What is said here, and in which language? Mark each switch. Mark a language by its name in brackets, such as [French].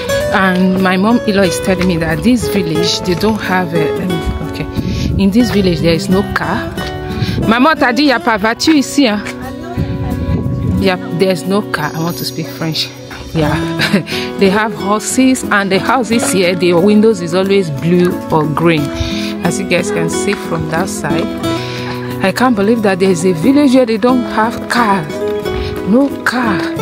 [English] And my mom Ilo is telling me that this village they don't have a okay. In this village there is no car. [French] Maman t'a dit y'a pas voiture ici, hein? [English] Yeah, there's no car. I want to speak French. Yeah. They have horses and the houses here, the windows is always blue or green. As you guys can see from that side. I can't believe that there's a village here they don't have car. No car.